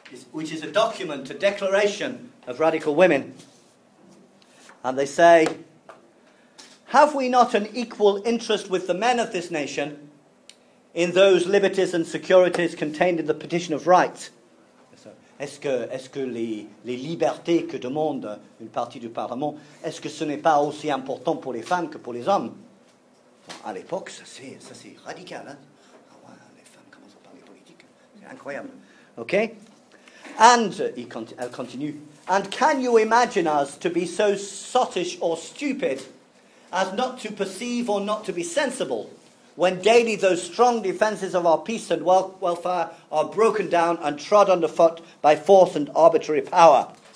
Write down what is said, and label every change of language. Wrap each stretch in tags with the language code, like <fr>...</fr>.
<en>Which is a document, a declaration of radical women. And they say, "Have we not an equal interest with the men of this nation in those liberties and securities contained in the Petition of Rights?"</en> <fr>Est-ce que les libertés que demande une partie du Parlement, est-ce que ce n'est pas aussi important pour les femmes que pour les hommes? Bon, à l'époque, ça c'est radical, hein? Ah ouais, les femmes commencent à parler politique. C'est incroyable. OK?</fr> <en>And I'll continue. "And can you imagine us to be so sottish or stupid as not to perceive or not to be sensible when daily those strong defences of our peace and welfare are broken down and trod underfoot by force and arbitrary power?"</en>